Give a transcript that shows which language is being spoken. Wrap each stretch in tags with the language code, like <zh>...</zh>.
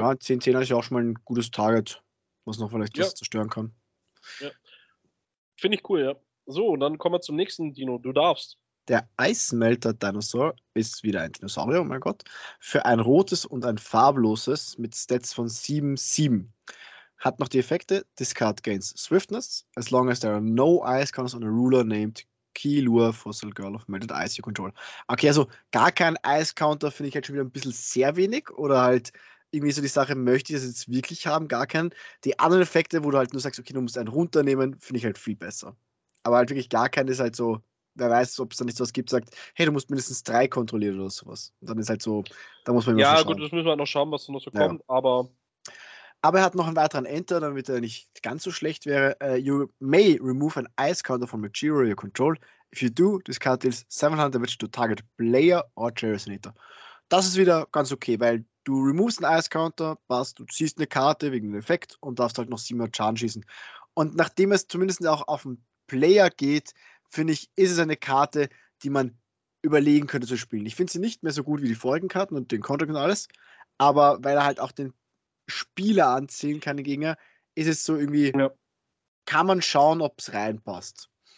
<de>Ja, 10-10 ist ja auch schon mal ein gutes Target, was noch vielleicht was zerstören kann. Ja. Finde ich cool, ja. So, dann kommen wir zum nächsten Dino. Du darfst. Der Eismelter-Dinosaur ist wieder ein Dinosaurier, oh mein Gott. Für ein rotes und ein farbloses mit Stats von 7-7. Hat noch die Effekte.</de> <en>Discard gains Swiftness. As long as there are no ice counters on a ruler named Kilua Fossil Girl of Melted Ice you control.</en> <de>Okay, also gar kein ice counter finde ich halt schon wieder ein bisschen sehr wenig. Oder halt irgendwie so die Sache, möchte ich das jetzt wirklich haben? Gar keinen. Die anderen Effekte, wo du halt nur sagst, okay, du musst einen runternehmen, finde ich halt viel besser. Aber halt wirklich gar keinen ist halt so, wer weiß, ob es da nicht sowas gibt, sagt, hey, du musst mindestens 3 kontrollieren oder sowas. Und dann ist halt so, da muss man immer schauen. Ja, gut, das müssen wir halt noch schauen, was da noch so kommt, aber... Aber er hat noch einen weiteren Enter, damit er nicht ganz so schlecht wäre.</de> <en>You may remove an ice counter from a Jiro you control. If you do, this card deals 700 damage to target player or Jirosinator.</en> <de>Das ist wieder ganz okay, weil du removest einen ice counter, passt, du ziehst eine Karte wegen dem Effekt und darfst halt noch 700 Schaden schießen. Und nachdem es zumindest auch auf den Player geht, finde ich, ist es eine Karte, die man überlegen könnte zu spielen. Ich finde sie nicht mehr so gut wie die vorigen Karten und den Contract und alles, aber weil er halt auch den Spieler anziehen kann, den Gegner, ist es so irgendwie, kann man schauen, ob es reinpasst.</de>